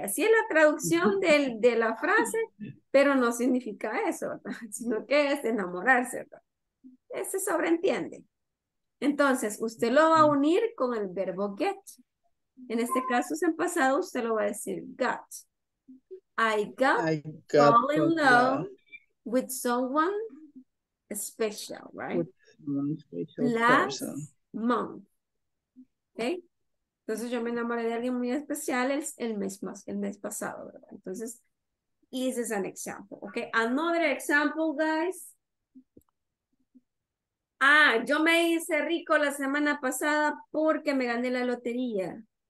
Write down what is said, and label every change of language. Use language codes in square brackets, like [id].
[es] Así es la traducción de la frase, pero no significa eso, ¿no? Sino que es enamorarse, ¿no? Se sobreentiende. Entonces, usted lo va a unir con el verbo get. En este caso, en pasado, usted lo va a decir got. [en] I got fall in love with someone special, right? With special last person. Month. Okay? [es] Entonces, yo me enamoré de alguien muy especial el mes pasado, ¿verdad? [en] Entonces, this is an example. Okay, another example, guys. [es] Ah, yo me hice rico la semana pasada porque me gané la lotería.